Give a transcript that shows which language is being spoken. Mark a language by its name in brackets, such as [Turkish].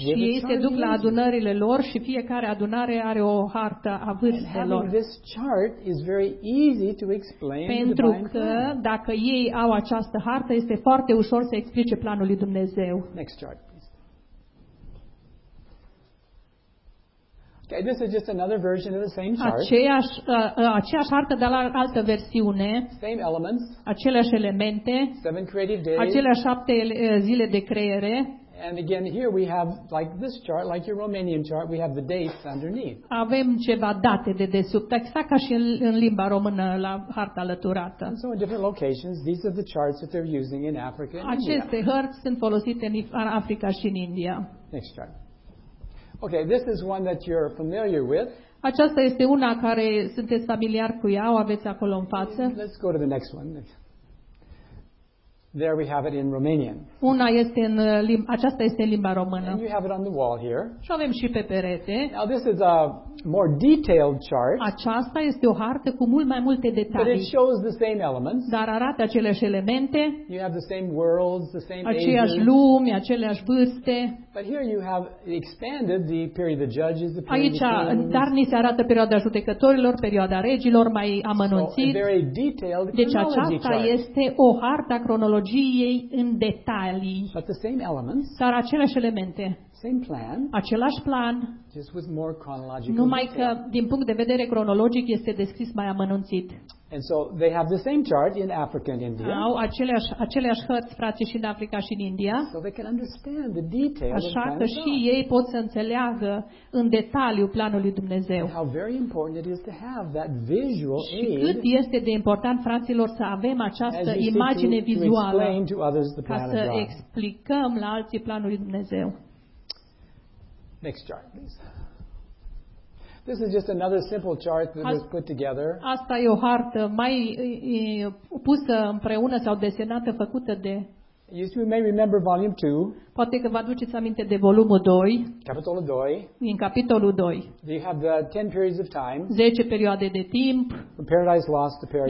[Romanian] și ei se duc la adunările lor și fiecare adunare are o hartă a vârstelor. [English] This chart is very easy to explain. [Romanian] Pentru că dacă ei au această hartă, este foarte ușor să explice planul lui Dumnezeu. [English] Next chart. Okay, this is just another version of the same chart. [Romanian] Aceeași artă, dar la altă versiune. [English] Same elements. [Romanian] Aceleași elemente. [English] Seven creative days. [Romanian] Aceleași 7 zile de creiere. [English] And again, here we have like this chart, like your Romanian chart. We have the dates underneath. [Romanian] Avem ceva date de desubt, exact ca și în limba română la harta alăturată. [English] So in different locations, these are the charts that they're using in Africa and India. [Romanian] Aceste hărți sunt folosite în Africa și în India. [English] Next chart. Okay, this is one that you're familiar with. [Romanian] Aceasta este una care sunteți familiar cu ea, o aveți acolo în față. [English] Let's go to the next one. There we have it in Romanian. [Romanian] Una este în limba, aceasta este în limba română. [English] And you have it on the wall here. [Romanian] Și avem și pe perete. [English] Now this is a more detailed chart. [Romanian] Aceasta este o hartă cu mult mai multe detalii. [English] But it shows the same elements. [Romanian] Dar arată aceleași elemente. [English] You have the same worlds, the same [Romanian] aceeași ages. Aceeași lumi, aceleași vârste. [English] But here you have expanded the period of judges, the period [Romanian] aici, [English] of kings. [Romanian] Dar ni se arată perioada judecătorilor, perioada regilor, mai amănunțit. [English] So a very detailed chronology chart. [Romanian] Deci aceasta este o hartă cronologică. În detalii, [English] but the same elements, [Romanian] dar aceleași elemente, [English] same plan, [Romanian] același plan, [English] just with more chronological [Romanian] numai că din punct de vedere cronologic este descris mai amănunțit. [English] And so they have the same chart in Africa and India. [Romanian] Au aceleași hărți, frate, și în Africa și în India. [English] So they can understand the detail. [Romanian] Așa că și ei pot să înțeleagă în detaliu planul lui Dumnezeu. [English] How very important it is to have that visual aid. [Romanian] Și cât este de important, fraților, să avem această imagine vizuală. [English] To explain to others the plan of God. [Romanian] Ca să explicăm la alții planul lui Dumnezeu. [English] Next chart, please. This is just another simple chart that was put together. [Romanian] Asta e o hartă mai pusă împreună sau desenată, făcută de. [English] You may remember volume 2. [Romanian] Poate că vă aduceți aminte de volumul 2. Capitolul 2. Din capitolul 2. [English] You have the 10 periods of time. [Romanian] 10 perioade de timp. [English] From paradise lost to paradise